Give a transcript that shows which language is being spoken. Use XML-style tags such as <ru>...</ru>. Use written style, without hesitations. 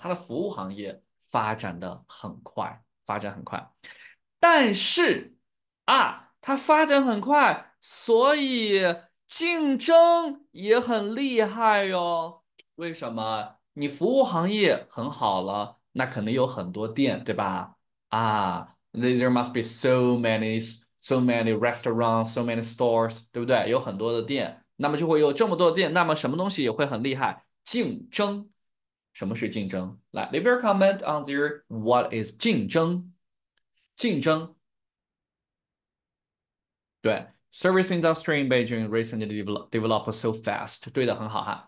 <zh>它的服务行业发展的很快，发展很快。但是啊，它发展很快，所以竞争也很厉害哟。为什么？你服务行业很好了，那肯定有很多店，对吧？</zh> <en>there must be so many restaurants, so many stores，</en> <zh>对不对？有很多的店，那么就会有这么多店，那么什么东西也会很厉害？竞争，什么是竞争？来，</zh> <en>leave your comment on there. What is</en> <zh>竞争？竞争，对。</zh> <en>Service industry in Beijing recently developed so fast，</en> <zh>对的，很好哈。</zh>